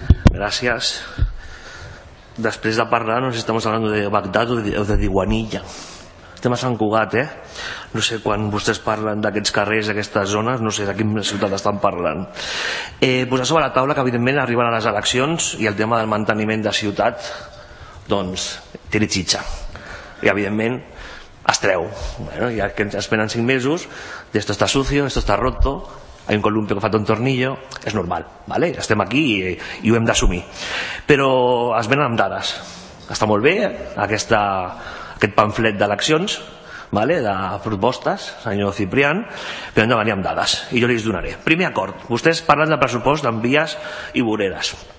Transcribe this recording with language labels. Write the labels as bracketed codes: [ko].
[ca] Gràcies. Després de parlar, no sé si estem parlant de Bagdad o de Diwanilla. Estem a Sant Cugat, eh? No sé, quan vostès parlen d'aquests carrers, d'aquestes zones, no sé de quina ciutat estan parlant. Posar sobre la taula que, evidentment, arriben a les eleccions i el tema del manteniment de ciutat, doncs, tiri xitxa. I, evidentment, es treu. Bueno, ja que ens esperen 5 mesos, [es] esto está sucio, esto está roto, hay un columpio que [ca] fa un tornillo, és normal, ¿vale? Estem aquí i ho hem d'assumir. Però es venen amb dades. Està molt bé aquest pamflet d'eleccions, vale, de propostes, senyor Ciprián, però hem de venir amb dades, i jo li donaré. Primer acord, vostès parlen de pressupost en vies i voreres.